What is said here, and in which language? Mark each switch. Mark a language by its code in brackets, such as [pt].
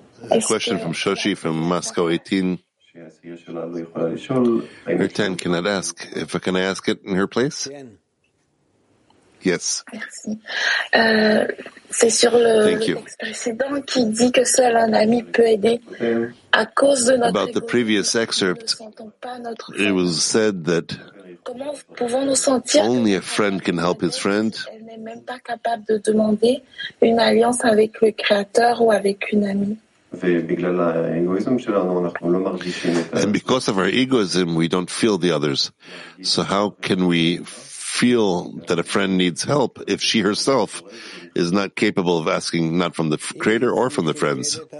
[en] A question from Shoshi from Moscow 18. Her 10 cannot ask. If I can ask it in her place? Yes. [fr] C'est sur le précédent qui dit que seul un ami peut aider à cause de notre ego. [en] About the previous excerpt, it was said that only a friend can help his friend. [fr] Elle n'est même pas capable de demander une alliance avec le Créateur ou avec une amie. [en] And because of our egoism, we don't feel the others. So how can we feel that a friend needs help if she herself is not capable of asking, not from the Creator or from the friends?